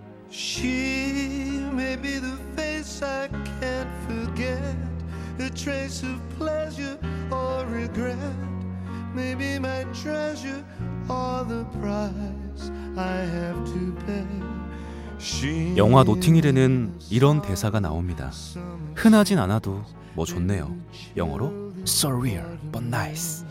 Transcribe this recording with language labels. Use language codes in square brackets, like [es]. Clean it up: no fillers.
[en] 쉬 Maybe the face I can't forget, a trace of pleasure or regret. Maybe my treasure or the price I have to pay. [ko] 영화 노팅힐에는 이런 대사가 나옵니다. 흔하진 않아도 뭐 좋네요. 영어로 [en] surreal but nice.